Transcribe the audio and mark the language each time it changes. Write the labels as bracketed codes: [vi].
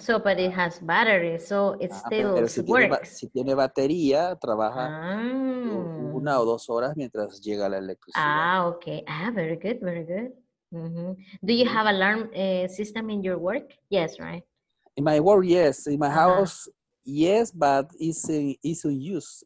[en] So, but it has batteries, so it still works. [es] Si tiene batería, trabaja una o dos horas mientras llega la electricidad. [en] Ah, okay. Ah, very good, very good. Mm-hmm. Do you have alarm system in your work? Yes, right? In my work, yes. In my house, yes, but it's in use.